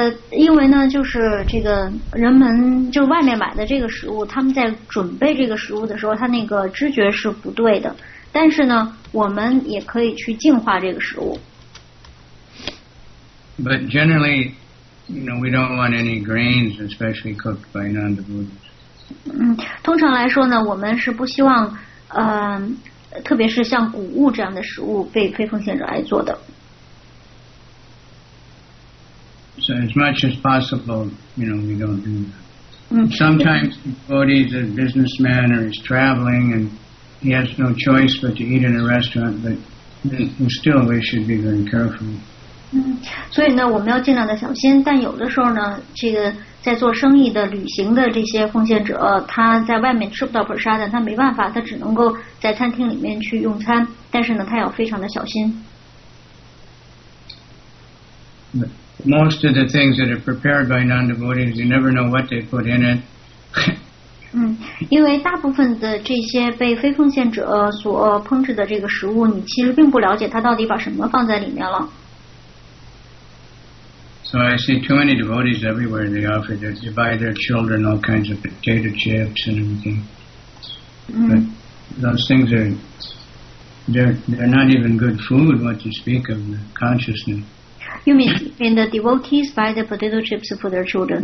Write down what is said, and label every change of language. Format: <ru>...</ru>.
<zh>因为呢就是这个人们就外面买的这个食物，他们在准备这个食物的时候，他那个知觉是不对的，但是呢我们也可以去净化这个食物。</zh> <en>But generally, you know, we don't want any grains especially cooked by non-devotees.</en> <zh>通常来说呢，我们是不希望特别是像谷物这样的食物被非奉献者来做的。</zh> <en>So as much as possible, you know, we don't do that. Sometimes the devotee is a businessman or he's traveling and he has no choice but to eat in a restaurant, but still we should be very careful.</en> <zh>所以呢我们要尽量的小心，但有的时候呢这个在做生意的旅行的这些奉献者，他在外面吃不到普沙，但他没办法，他只能够在餐厅里面去用餐，但是呢他要非常的小心。对。</zh> <en>Most of the things that are prepared by non-devotees, you never know what they put in it.</en> <zh>因为大部分的这些被非奉献者所烹制的这个食物，你其实并不了解它到底把什么放在里面了。</zh> <en>So I see too many devotees everywhere. They offer their, they buy their children all kinds of potato chips and everything. But those things are, they're not even good food. What you speak of the consciousness. You mean the devotees buy the potato chips for their children?</en>